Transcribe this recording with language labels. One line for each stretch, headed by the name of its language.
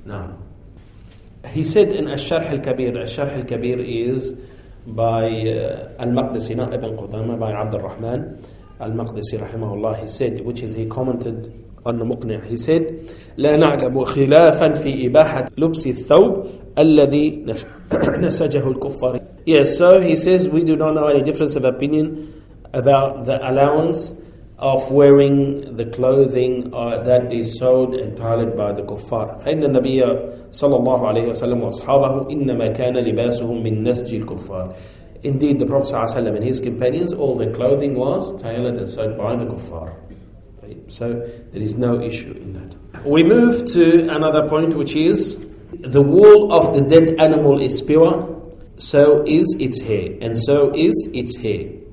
English: Now, he said in Al-Sharh Al-Kabir, Al-Sharh Al-Kabir is by Al-Maqdisi, not Ibn Qudama, by Abdul Rahman Al-Maqdisi, rahimahullah, he said, which is he commented on the Muqni, he said,
Arabic: لا نعلم خلافا في إباحة لبس الثوب الذي نسجه الكفار.
English: Yes, so he says, we do not know any difference of opinion about the allowance of wearing the clothing that is sewed and tiled by the kuffar.
Arabic: فإن النبي صلى الله عليه وسلم وأصحابه إنما كان لباسهم من نسج الكفار.
English: Indeed, the Prophet
Arabic: صلى الله عليه وسلم
English: and his companions, all their clothing was tailored and sewed by the kuffar. So there is no issue in that. We move to another point, which is the wool of the dead animal is pure, so is its hair, and so is its hair.